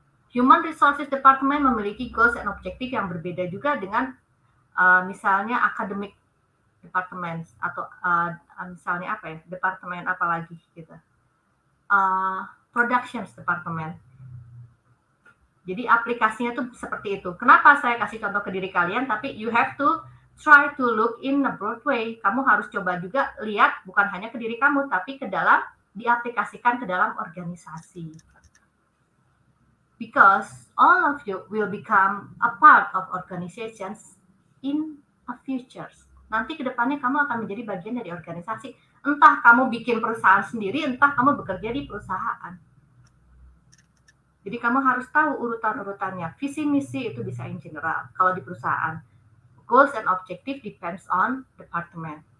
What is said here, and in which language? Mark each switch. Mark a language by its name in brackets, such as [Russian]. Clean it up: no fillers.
[Indonesian] Human resources department memiliki goals and objective yang berbeda juga dengan misalnya academic department atau misalnya apa ya, departemen apa lagi gitu. Productions department. Jadi aplikasinya tuh seperti itu. Kenapa saya kasih contoh ke diri kalian? Tapi [English] you have to try to look in the broad way. [Indonesian] Kamu harus coba juga lihat bukan hanya ke diri kamu, tapi ke dalam, diaplikasikan ke dalam organisasi. [English] Because all of you will become a part of organizations in a future. [Indonesian] Nanti kedepannya kamu akan menjadi bagian dari organisasi. Entah kamu bikin perusahaan sendiri, entah kamu bekerja di perusahaan. Jadi kamu harus tahu urutan-urutannya. Visi misi itu bisa in general. Kalau di perusahaan, goals and objective [English] depends on department.